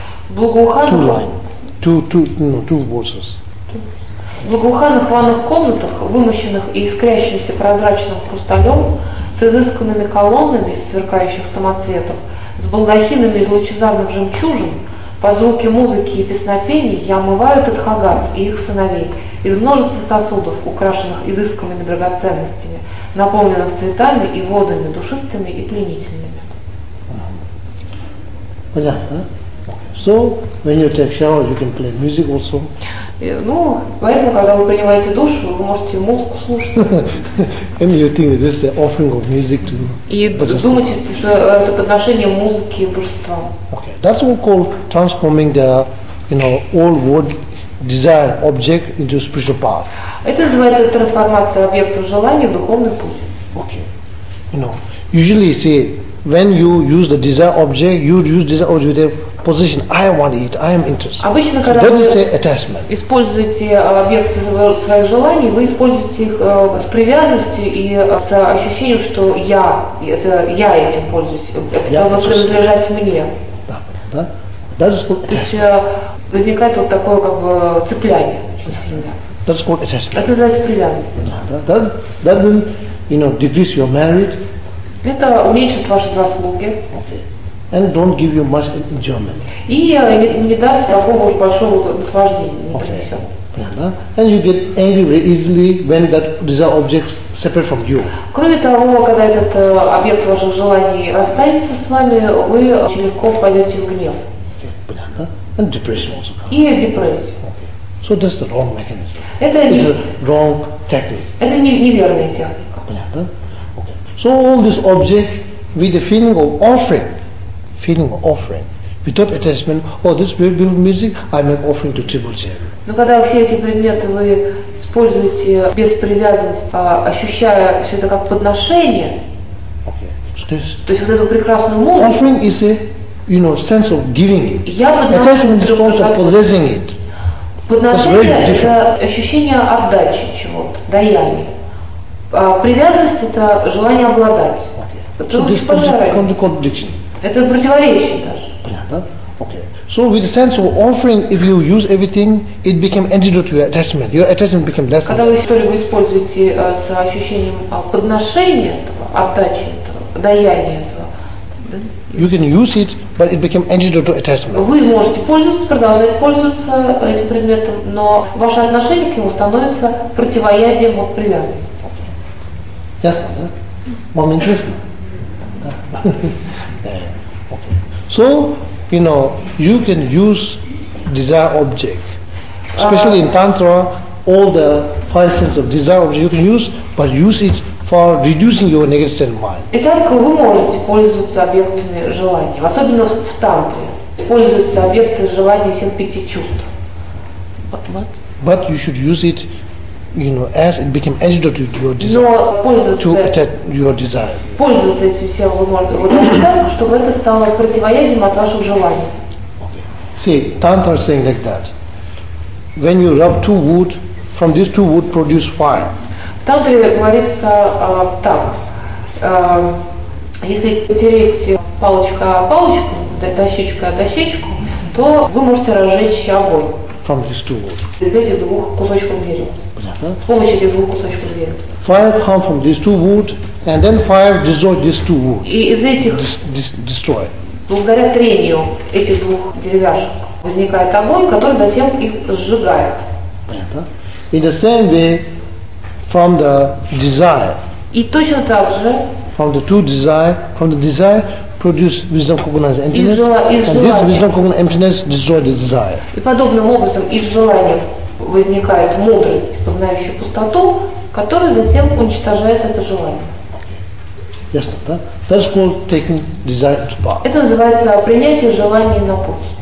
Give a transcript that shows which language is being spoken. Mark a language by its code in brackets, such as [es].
[ru] Благоуханных ванных комнатах, вымощенных и искрящимся прозрачным хрусталем, с изысканными колоннами, сверкающих самоцветов, с балдахинами из лучезарных жемчужин, под звуки музыки и песнопений я омываю этот хагат и их сыновей из множества сосудов, украшенных изысканными драгоценностями, наполненных цветами и водами, душистыми и пленительными. Понятно, да? [en] So, when you take shower, you can play music also. [ru] Ну, поэтому, когда вы принимаете душ, вы можете музыку слушать. [en] And you think that this is the offering of music to you. [ru] И думаете, что это подношение музыки и божества. [en] Okay. That's what we call transforming the, you know, old world desire object into spiritual path. [ru] Это называется трансформация объекта желания в духовный путь. [en] Okay. You know, usually you see, when you use the desire object, you use desire object with a position. I want it. I am interested. [ru] Обычно, когда [en] so [ru] вы [en] say attachment. [ru] Используете объекты своих желаний, вы используете их с привязанностью и с ощущением, что я, это я этим пользуюсь, это принадлежит мне. Да, да. То есть возникает вот такое как бы цепляние. [en] That's called attachment. [ru] Это называется привязанность. [en] That will, you know, decrease your merit. [ru] Это уменьшит ваши заслуги. [en] Okay. And don't give you much enjoyment. [ru] И не даст такого уж большого наслаждения, не принесет. Okay. [en] And you get angry very easily when that desire object separate from you. [ru] Кроме того, когда этот объект ваших желаний расстанется с вами, вы очень легко впадете в гнев. [en] Okay. And depression also. [ru] И депрессию. [en] Okay. So that's the wrong mechanism. [ru] Это [en] It's a wrong technique. [ru] Это неверная техника. Понятно? [en] So all this object with the feeling of offering, without attachment, oh, this beautiful music, I make offering to Triple Chair. [ru] Но когда все эти предметы вы используете без привязанности, ощущая все это как подношение, [en] okay. [ru] То есть вот эту прекрасную музыку. [en] Offering is a, you know, sense of giving it. Attachment is also possessing it. [ru] Подношение — это ощущение отдачи чего-то, даяния. Привязанность — это желание обладать. [en] Okay. So this [ru] это противоречие даже. Понятно? Okay. [en] So with the sense of offering, if you use everything, it became antidote to your attachment. Your attachment became less. [ru] Когда вы что-либо используете с ощущением подношения этого, отдачи этого, даяния этого. [en] You can use it, but it became antidote to attachment. [ru] Вы можете пользоваться, продолжать пользоваться этим предметом, но ваше отношение к нему становится противоядием от привязанности. Ясно, да? Вам интересно? Да. [en] Okay. So, you know, you can use desire object. Especially in Tantra, all the five senses of desire object you can use, but use it for reducing your negative state of mind. [ru] Итак, вы можете пользоваться объектами желания, особенно в Тантре. Используются объекты желания всех пяти чувств. [en] But you should use it you know, as it became agitated to your desire, to attack your desire. [ru] Пользуется этим всем вы можете, чтобы это стало противоядием от ваших желаний. [en] See, Tantra is saying like that. When you rub two wood, from these two wood produce fire. [ru] В Тантре говорится так. Если потереть палочка о палочку, дощечка о дощечку, то вы можете разжечь огонь. [en] From these two wood. [ru] Из этих двух кусочков дерева. Uh-huh. С помощью этих двух кусочков дерева. [en] Fire comes from these two wood, and then fire destroys these two wood. [ru] И из этих... [en] Destroy. [ru] Благодаря трению этих двух деревяшек возникает огонь, который затем их сжигает. [en] In the same way, from the desire. [ru] И точно так же. [en] From the two desire, from the desire produce wisdom, cognizance, emptiness. And this wisdom, cognizance, emptiness destroy the desire. [ru] И подобным образом из желания возникает мудрость, познающая пустоту, которая затем уничтожает это желание. [en] Yes, that. That is called taking desire to path. [ru] Это называется принятие желаний на путь.